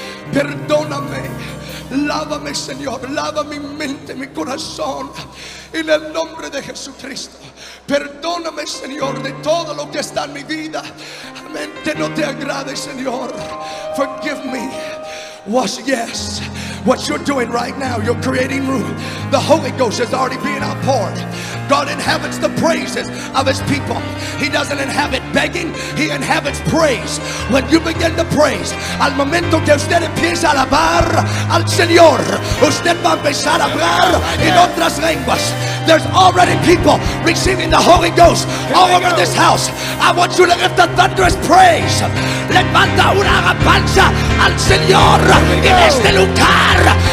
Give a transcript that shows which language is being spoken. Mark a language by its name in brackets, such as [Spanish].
[Spanish] Perdóname, lávame, Señor, lava mi mente, mi corazón, en el nombre de Jesucristo. Perdóname, Señor, de todo lo que está en mi vida, mente no te agrade, Señor. [English] Forgive me. Wash, yes. What you're doing right now, you're creating room. The Holy Ghost is already being outpoured. God inhabits the praises of His people. He doesn't inhabit begging, He inhabits praise. When you begin to praise, [Spanish] al momento que usted empieza a alabar al Señor, usted va a empezar a hablar en otras lenguas. [English] There's already people receiving the Holy Ghost all over this house. I want you to lift a thunderous praise. [Spanish] Levanta una alabanza al Señor en este lugar.